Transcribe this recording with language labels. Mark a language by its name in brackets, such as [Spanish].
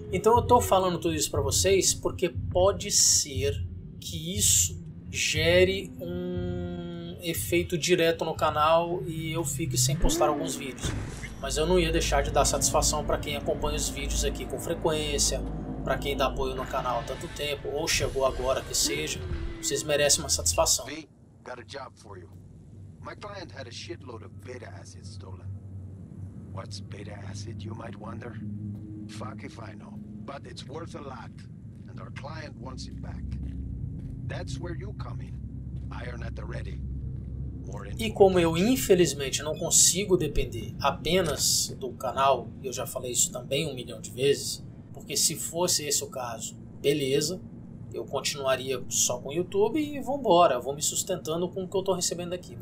[Portuguese] Então eu estou falando tudo isso para vocês porque pode ser que isso gere um efeito direto no canal e eu fique sem postar alguns vídeos. Mas eu não ia deixar de dar satisfação para quem acompanha os vídeos aqui com frequência, para quem dá apoio no canal há tanto tempo, ou chegou agora que seja, vocês merecem uma satisfação. [English] V, got a job for you. My client had a shitload of beta acid stolen. What's beta acid, you might wonder? Fuck if I know. But it's worth a lot, and our client wants it back. That's where you come in. Iron at the ready. [Portuguese] E como eu infelizmente não consigo depender apenas do canal, e eu já falei isso também um milhão de vezes, porque se fosse esse o caso, beleza, eu continuaria só com o YouTube e vambora, vou me sustentando com o que eu estou recebendo aqui.